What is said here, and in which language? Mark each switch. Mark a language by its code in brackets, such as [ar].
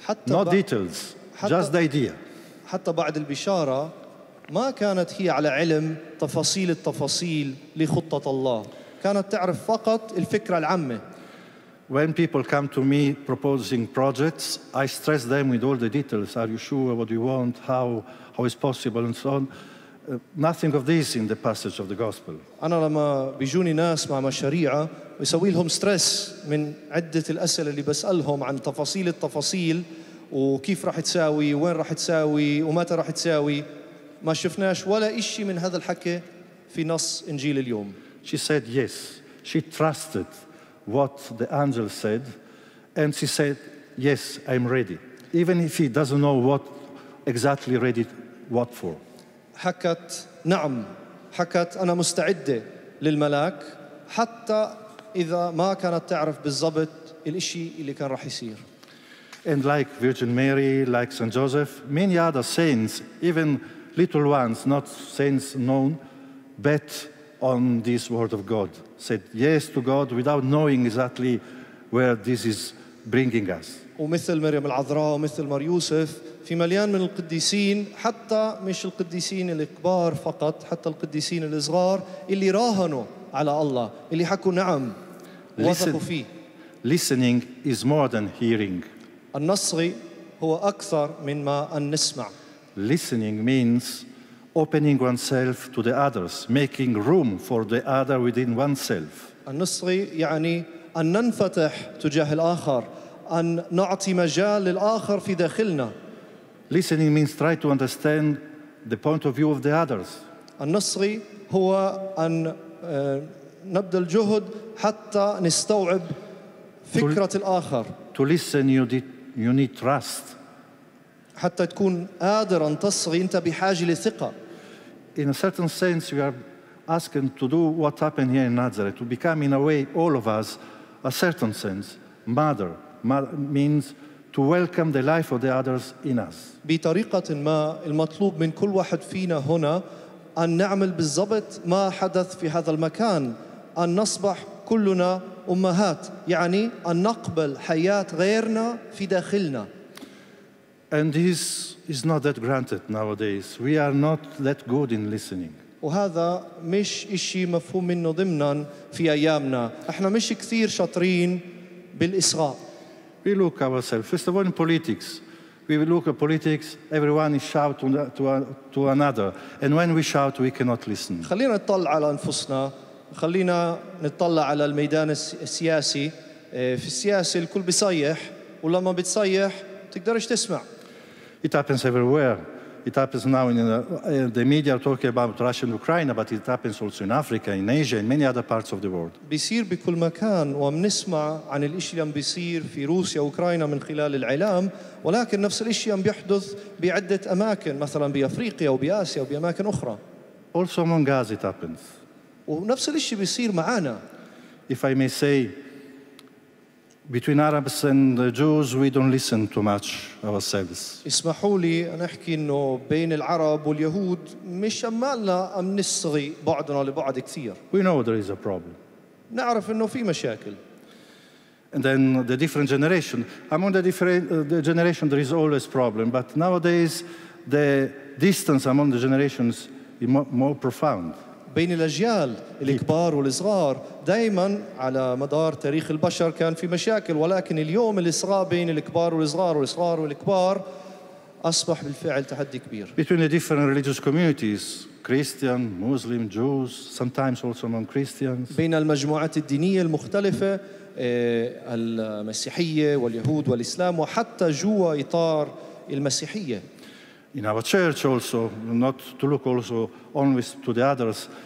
[en] No details. Just the idea. [ar] حتى بعد البشارة ما كانت هي على علم تفاصيل التفاصيل لخطة الله. كانت تعرف فقط الفكرة العامة. [en] When people come to me proposing projects, I stress them with all the details. Are you sure what you want? How is possible? And so on. Nothing of this in the passage of the gospel. [ar] أنا لما بيجوني ناس مع مشاريع بيسوي لهم ستريس من عدة الأسئلة اللي بسألهم عن تفاصيل التفاصيل. وكيف راح تساوي وين راح تساوي ومتى راح تساوي ما شفناش ولا إشي من هذا الحكي في نص إنجيل اليوم. [en] She said yes. She trusted what the angel said, and she said yes, I'm ready, even if he doesn't know what exactly ready what for. [ar] حكت نعم. حكت أنا مستعدة للملاك حتى إذا ما كانت تعرف بالضبط الإشي اللي كان راح يصير. [en] And like Virgin Mary, like Saint Joseph, many other saints, even little ones, not saints known, bet on this word of God, said yes to God without knowing exactly where this is bringing us. [ar] ومثل مريم العذراء ومثل مار يوسف في مليان من القديسين حتى مش القديسين الكبار فقط حتى القديسين الصغار اللي راهنوا على الله اللي حكوا نعم وثقوا فيه. [en] Listening is more than hearing. [ar] النصغي هو أكثر من ما أن نسمع. [en] Listening means opening oneself to the others, making room for the other within oneself. [ar] النصغي يعني أن ننفتح تجاه الآخر، أن نعطي مجال للآخر في داخلنا. [en] Listening means try to understand the point of view of the others. [ar] النصغي هو أن نبذل الجهد حتى نستوعب فكرة الآخر. [en] To listen, you need trust. [ar] حتى تكون قادر أن تصغي أنت بحاجة لثقة. [en] In a certain sense, we are asking to do what happened here in Nazareth, to become, in a way, all of us, a certain sense, mother. Mother means to welcome the life of the others in us. [ar] بطريقة ما المطلوب من كل واحد فينا هنا أن نعمل بالضبط ما حدث في هذا المكان أن نصبح كلنا. أمهات يعني أن نقبل حياة غيرنا في داخلنا. [en] And this is not that granted nowadays. We are not that good in listening. [ar] وهذا مش إشي مفهوم منه ضمنا في أيامنا. إحنا مش كثير شاطرين بالإصغاء. [en] We look ourselves. First of all, in politics, we look at politics. Everyone is shouting to another, and when we shout, we cannot listen. [ar] خلينا نطلع على أنفسنا. خلينا نطلع على الميدان السياسي في السياسة الكل بيصيح ولما بتصيح تقدرش تسمع. [en] It happens everywhere. It happens now in the media talking about Russia and Ukraine, but it happens also in Africa, in Asia, in many other parts of the world. [ar] بيصير بكل مكان ومنسمع عن الإشي اللي عم بيصير في روسيا وأوكرانيا من خلال الإعلام، ولكن نفس الإشي عم بيحدث بعدة أماكن، مثلاً بأفريقيا وبآسيا وبأماكن أخرى. [en] Also among us it happens. [ar] ونفس الشيء بيصير معانا. [en] If I may say, between Arabs and Jews, we don't listen too much ourselves. [ar] اسمحوا لي أن أحكي إنه بين العرب واليهود مش أمالنا أم نصغي بعضنا لبعض كثير. [en] We know there is a problem. [ar] نعرف إنه في مشاكل. [en] And then the different generation. Among the different the generation, there is always problem. But nowadays, the distance among the generations is more profound. [ar] بين الأجيال الكبار والصغار دائما على مدار تاريخ البشر كان في مشاكل ولكن اليوم الإصغاء بين الكبار والصغار والصغار والكبار أصبح بالفعل تحدي كبير. [en] Between the different religious communities, Christian, Muslim, Jews, sometimes also among Christians. [ar] بين المجموعات الدينية المختلفة المسيحية واليهود والإسلام وحتى جوا إطار المسيحية. [en] In our church also, not to look also only to the others.